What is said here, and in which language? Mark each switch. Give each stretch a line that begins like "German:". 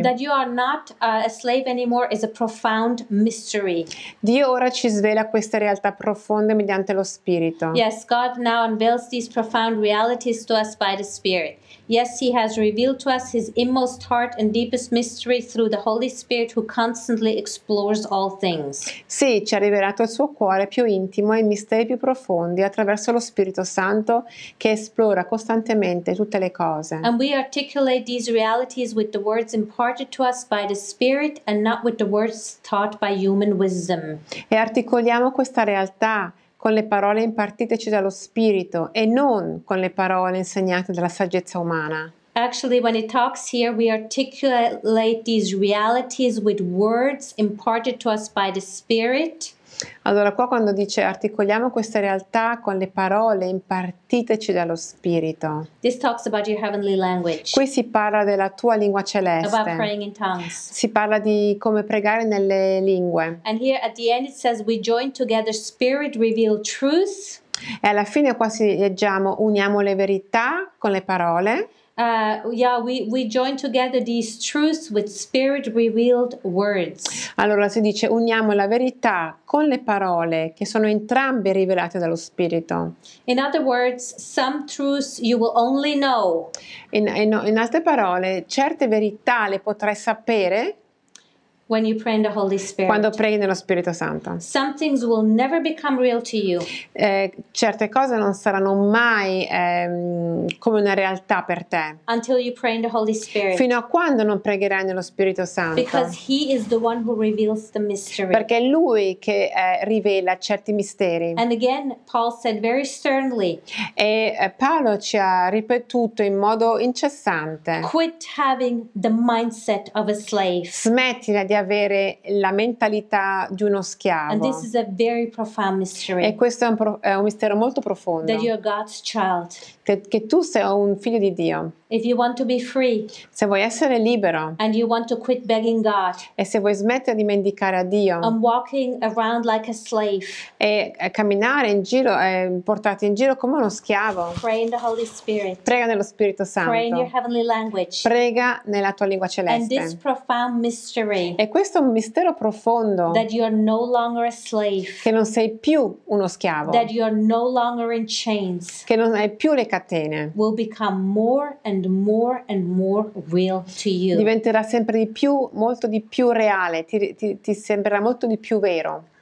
English: That you are not a slave anymore is a profound mystery.
Italian: Dio ora ci svela questa realtà profonda mediante lo Spirito.
English: Yes, God now unveils these profound realities to us by the Spirit. Yes, He has revealed to us His inmost heart and deepest mystery through the Holy Spirit who constantly explores all things.
Italian: Sì, ci ha rivelato il suo cuore più intimo e i misteri più profondi attraverso lo Spirito Santo che esplora costantemente tutte le cose.
English: And we articulate these realities with the words imparted to us by the Spirit and not with the words taught by human wisdom.
Italian: E articoliamo questa realtà con le parole impartiteci dallo Spirito e non con le parole insegnate dalla saggezza umana.
English: Actually, when it talks here, we articulate these realities with words imparted to us by the Spirit.
Italian: Allora, qua quando dice articoliamo queste realtà con le parole impartiteci dallo Spirito.
English: This talks about your heavenly language.
Italian: Qui si parla della tua lingua celeste.
English: About praying in tongues.
Italian: Si parla di come pregare nelle lingue.
English: And here at the end it says we join together spirit reveal truth.
Italian: E alla fine qua si leggiamo uniamo le verità con le parole.
English: We join together these truths with spirit revealed words.
Italian: Allora si dice uniamo la verità con le parole che sono entrambe rivelate dallo Spirito.
English: In other words, some truths you will only know.
Italian: In altre parole, certe verità le potrai sapere
English: when you pray in the Holy Spirit.
Italian: Quando preghi nello Spirito Santo.
English: Some things will never become real to you.
Italian: Certe cose non saranno mai come una realtà per te.
English: Until you pray in the Holy Spirit.
Italian: Fino a quando non pregherai nello Spirito Santo.
English: Because he is the one who reveals the mystery.
Italian: Perché è lui che rivela certi misteri.
English: And again, Paul said very sternly.
Italian: E Paolo ci ha ripetuto in modo incessante.
English: Quit having the mindset of a slave.
Italian: Smetti di avere la mentalità di uno schiavo.
English: And this is a very profound mystery.
Italian: E questo è un mistero molto profondo.
English: That you are God's child.
Italian: Che tu sei un figlio di Dio.
English: If you want to be free.
Italian: Se vuoi essere libero.
English: And you want to quit begging God.
Italian: E se vuoi smettere di mendicare a Dio.
English: And walking around like a slave.
Italian: E camminare in giro, portati in giro come uno schiavo.
English: Pray in the Holy Spirit.
Italian: Prega nello Spirito Santo.
English: Pray in your heavenly language.
Italian: Prega nella tua lingua celeste.
English: And this profound mystery.
Italian: E questo è un mistero profondo.
English: That you are no longer a slave.
Italian: Che non sei più uno schiavo.
English: That you are no longer in chains.
Italian: Che non hai più le catene.
English: Will become more and more and more real to you.
Italian: Diventerà sempre di più, molto di più reale. Ti sembrerà molto di più vero.